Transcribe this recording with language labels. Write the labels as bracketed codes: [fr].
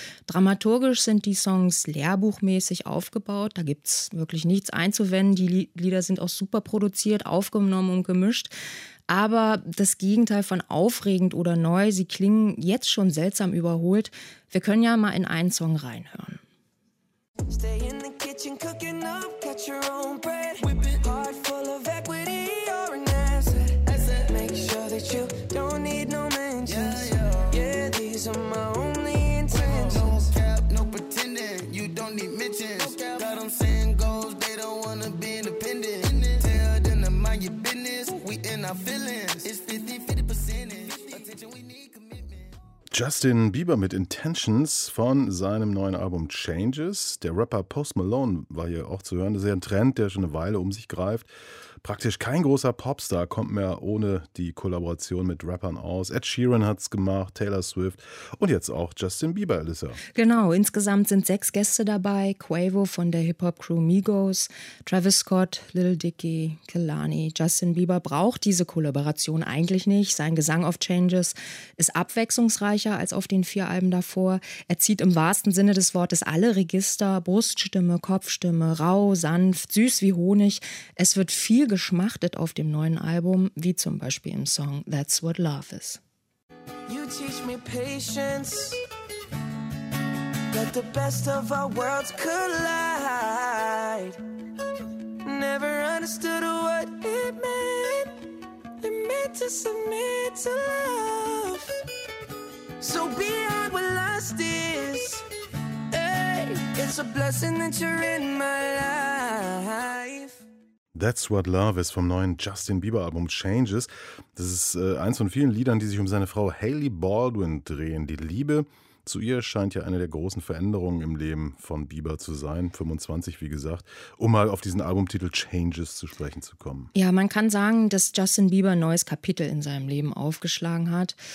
[de] Dramaturgisch sind die Songs lehrbuchmäßig aufgebaut. Da gibt es wirklich nichts einzuwenden. Die Lieder sind auch super produziert, aufgenommen und gemischt. Aber das Gegenteil von aufregend oder neu, sie klingen jetzt schon seltsam überholt. Wir können ja mal in einen Song reinhören. [en] Stay in the kitchen cooking up, cut your own bread. Whip it hard full of equity, you're an asset. Asset. Make sure that you don't need no mentions. Yeah, yeah. Yeah, these are my only intentions. No cap, no pretending, you don't need mentions. No cap. Got them saying goals, they don't wanna be independent. Tell them to mind your business, we in our feelings. It's 50-50 percentage, attention we need. [de] Justin Bieber mit Intentions von seinem neuen Album Changes. Der Rapper Post Malone war hier auch zu hören. Das ist ja ein Trend, der schon eine Weile um sich greift. Praktisch kein großer Popstar kommt mehr ohne die Kollaboration mit Rappern aus. Ed Sheeran hat's gemacht, Taylor Swift und jetzt auch Justin Bieber, Alissa. Genau, insgesamt sind 6 Gäste dabei. Quavo von der Hip-Hop-Crew Migos, Travis Scott, Lil Dicky, Kehlani. Justin Bieber braucht diese Kollaboration eigentlich nicht. Sein Gesang auf Changes ist abwechslungsreicher als auf den 4 Alben davor. Er zieht im wahrsten Sinne des Wortes alle Register, Bruststimme, Kopfstimme, rau, sanft, süß wie Honig. Es wird viel geschmachtet auf dem neuen Album, wie zum Beispiel im Song That's What Love Is. [en] You teach me patience, that the best of our worlds collide. Never understood what it meant to submit to love. So beyond what lust is, hey, it's a blessing that you're in my life. [de] That's What Love Is vom neuen Justin Bieber-Album Changes. Das ist eins von vielen Liedern, die sich um seine Frau Hailey Baldwin drehen. Die Liebe zu ihr scheint ja eine der großen Veränderungen im Leben von Bieber zu sein. 25, wie gesagt, um mal auf diesen Albumtitel Changes zu sprechen zu kommen. Ja, man kann sagen, dass Justin Bieber ein neues Kapitel in seinem Leben aufgeschlagen hat.